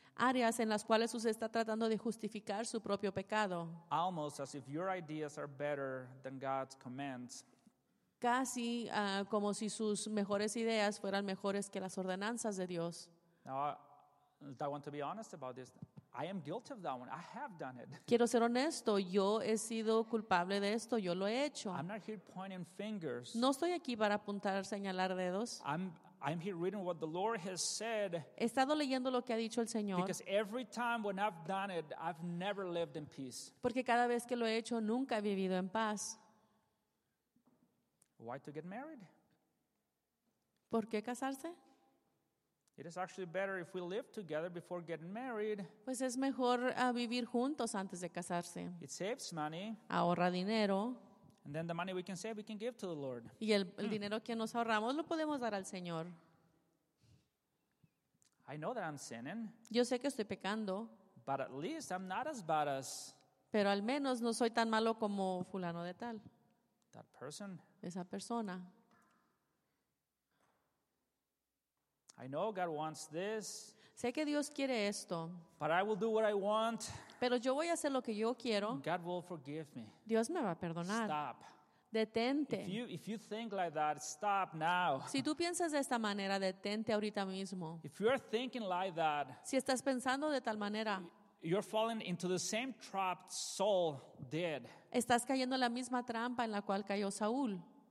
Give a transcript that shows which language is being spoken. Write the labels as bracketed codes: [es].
[es] Áreas en las cuales usted está tratando de justificar su propio pecado. [en] Almost as if your ideas are better than God's commands. [es] Casi como si sus mejores ideas fueran mejores que las ordenanzas de Dios. [en] Now, I want to be honest about this. I am guilty of that one. I have done it. [es] Quiero ser honesto. Yo he sido culpable de esto. Yo lo he hecho. [en] I'm not here pointing fingers. [es] No estoy aquí para apuntar, señalar dedos. [en] I'm here reading what the Lord has said. [es] He estado leyendo lo que ha dicho el Señor. [en] Because every time when I've done it, I've never lived in peace. [es] Porque cada vez que lo he hecho, nunca he vivido en paz. [en] Why to get married? [es] ¿Por qué casarse? [en] It is actually better if we live together before getting married. [es] Pues es mejor vivir juntos antes de casarse. [en] It saves money. [es] Ahorra dinero. [en] And then the money we can save, we can give to the Lord. [es] Y el dinero que nos ahorramos lo podemos dar al Señor. [en] I know that I'm sinning. [es] Yo sé que estoy pecando. [en] But at least I'm not as bad as. [es] Pero al menos no soy tan malo como fulano de tal. [en] That person. [es] Esa persona. [en] I know God wants this. [es] Sé que Dios quiere esto. [en] But I will do what I want. [es] Pero yo voy a hacer lo que yo quiero. [en] God will forgive me. [es] Dios me va a perdonar. [en] Stop. [es] Detente. [en] If you think like that, stop now. [es] Si tú piensas de esta manera, detente ahorita mismo. [en] If you are thinking like that, [es] si estás pensando de tal manera, [en] you're falling into the same trap Saul did. [es] Estás cayendo en la misma trampa en la cual cayó Saúl.